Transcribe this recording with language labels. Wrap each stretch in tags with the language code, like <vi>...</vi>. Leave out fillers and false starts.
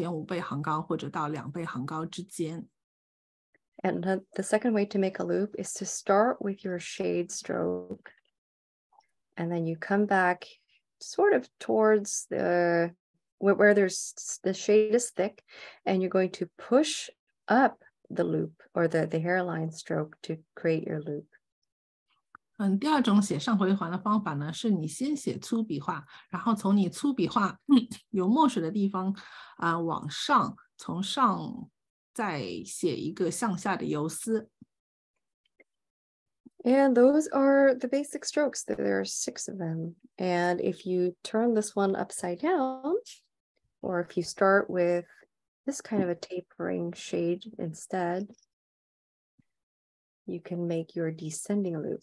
<zh>上回环它有两种写法，第一种写法是从腰线上游丝起笔，然后到达我们的第二上回环线之后向下，然后根据你的范本不同，你所开始粗笔画的高度可以从2.5倍行高或者到2倍行高之间。</zh> <en>And the second way to make a loop is to start with your shade stroke, and then you come back sort of towards the where there's the shade is thick, and you're going to push up the loop or the hairline stroke to create your loop.</en> <zh>第二种写上回环的方法呢，是你先写粗笔画，然后从你粗笔画有墨水的地方往上从上。</zh> <en>And those are the basic strokes. There are six of them. And if you turn this one upside down, or if you start with this kind of a tapering shade instead, you can make your descending loop.</en>